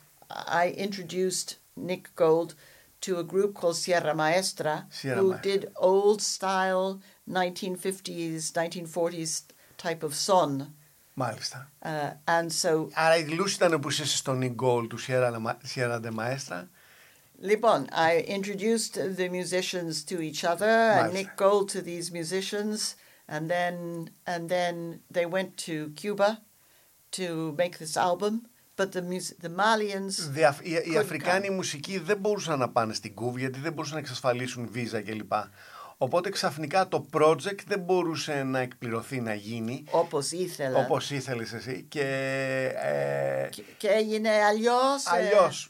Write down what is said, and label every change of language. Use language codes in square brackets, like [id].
[en] I introduced Nick Gold to a group called Sierra Maestra, Sierra who Maestra did old style 1950s, 1940s type of son. [el] Μάλιστα. [en] And so... [el] Άρα η γλούση ήταν που είσαι στον Nick Gold του Sierra de Maestra. Λοιπόν, [en] I introduced the musicians to each other, and Nick Gold to these musicians, and then they went to Cuba to make this album, but the Malians... [el] Οι Αφρικάνοι μουσικοί δεν μπορούσαν να πάνε στην Κούβα, γιατί δεν μπορούσαν να εξασφαλίσουν βίζα κλπ. Οπότε ξαφνικά το project δεν μπορούσε να εκπληρωθεί, να γίνει. Όπως ήθελα. Όπως ήθελες εσύ. Και, και έγινε αλλιώς. Αλλιώς.